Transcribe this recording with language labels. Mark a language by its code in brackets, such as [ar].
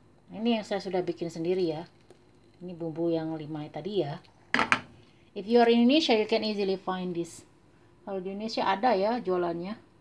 [id] Ini yang saya sudah bikin sendiri ya. Ini bumbu yang 5 tadi ya. [en] If you are in Indonesia, you can easily find this. [id] Kalau di Indonesia ada ya jualannya.